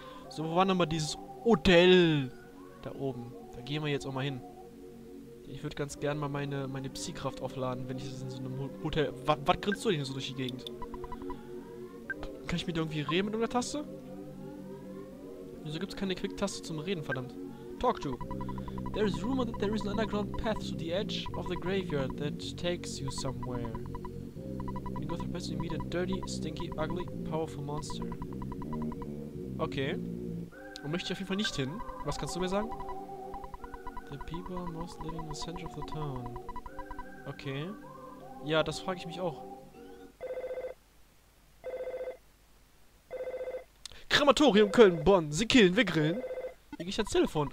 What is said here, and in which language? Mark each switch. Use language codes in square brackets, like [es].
[de] So, wo war denn mal dieses Hotel? Da oben. Da gehen wir jetzt auch mal hin. Ich würde ganz gern mal meine Psi-Kraft aufladen, wenn ich das in so einem Hotel... Was grinst du denn so durch die Gegend? Kann ich mit irgendwie reden mit einer Taste? Wieso gibt's keine Quick-Taste zum Reden, verdammt? [en] Talk to. There is rumor that there is an underground path to the edge of the graveyard that takes you somewhere. When you go through the path, you meet a dirty, stinky, ugly, powerful monster. Okay. [de] Und möchte ich auf jeden Fall nicht hin. Was kannst du mir sagen? [en] The people are most living in the center of the town. Okay. [de] Ja, das frage ich mich auch. Krematorium Köln, Bonn. Sie killen, wir grillen. Hier geh ich ans Telefon.